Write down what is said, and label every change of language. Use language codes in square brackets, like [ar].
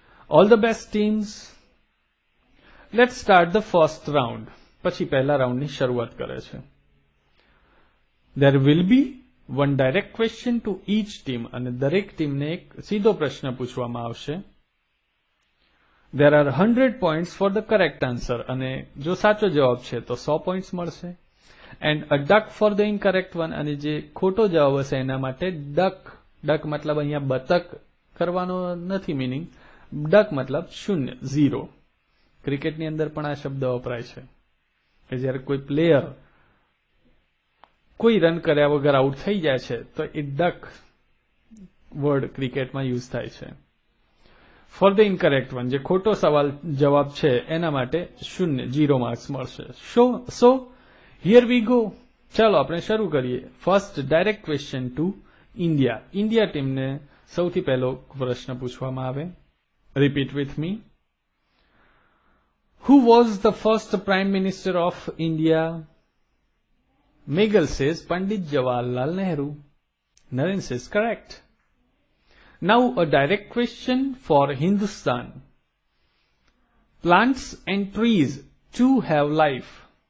[en] All the best teams. Let start the first round. [gu] પછી પહેલા રાઉન્ડની શરૂઆત કરે છે. [en] There will be one direct question to each team. [gu] અને દરેક ટીમને એક સીધો પ્રશ્ન પૂછવામાં આવશે. [en] There are 100 points for the correct answer. [gu] અને જો સાચો જવાબ છે તો 100 points મળશે. [en] And a duck for the incorrect one. [gu] અને જે ખોટો જવાબ હશે એના માટે duck. Duck મતલબ અહીંયા બતક કરવાનો નથી મીનિંગ. Duck મતલબ શૂન્ય, ઝીરો. ક્રિકેટની અંદર પણ આ શબ્દ વપરાય છે. કે જ્યારે કોઈ પ્લેયર કોઈ રન કર્યા વગર આઉટ થઈ જાય છે તો એ duck વર્ડ ક્રિકેટમાં યુઝ થાય છે. [en] for the incorrect one, [gu] જે ખોટો સવાલ જવાબ છે એના માટે શૂન્ય, ઝીરો માર્ક્સ મળશે. [en] So here we go. [gu] ચાલો આપણે શરૂ કરીએ. [en] First direct question to India. [gu] India ટીમને સૌથી પહેલો પ્રશ્ન પૂછવામાં આવે. [en] Repeat with me. Who was the first Prime Minister of India? Megal says Pandit Jawaharlal Nehru. Naren says correct. Now a direct question for Hindustan. Plants and trees too have life.